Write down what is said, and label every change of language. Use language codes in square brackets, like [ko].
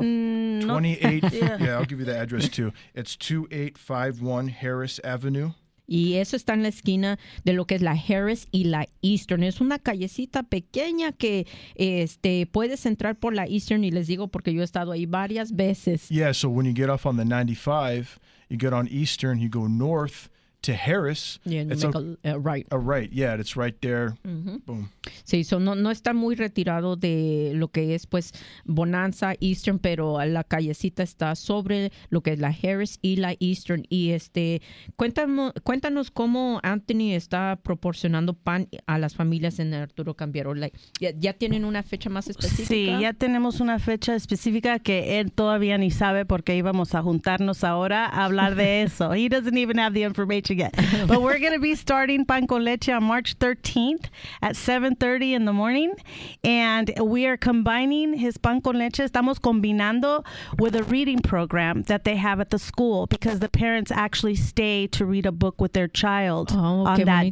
[en] 28, yeah, I'll give you the address too. It's 2851 Harris Avenue. [es] Y eso está en la esquina de lo que es la Harris y la Eastern. Es una callecita pequeña que este puedes entrar por la Eastern, y les digo porque yo he estado ahí varias veces. [en] Yeah, so when you get off on the 95, you get on Eastern, you go north to Harris. Yeah, and it's make a right. A right, yeah, it's right there. Mm-hmm. Boom. [es] Sí, so no está muy retirado de lo que es pues Bonanza Eastern, pero la callecita está sobre lo que es la Harris y la Eastern. Y este, cuéntanos cómo Anthony está proporcionando pan a las familias en Arturo Cambiero. ¿Ya tienen una fecha más específica? Sí, ya tenemos una fecha específica que él todavía ni sabe, porque íbamos a juntarnos ahora a hablar de eso. [en] He doesn't even have the information yet. But we're going to be starting Pan con Leche on March 13th at 7:30 in the morning, and we are combining his pan con leche. [es] Estamos combinando [en] with a reading program that they have at the school, because the parents actually stay to read a book with their child on that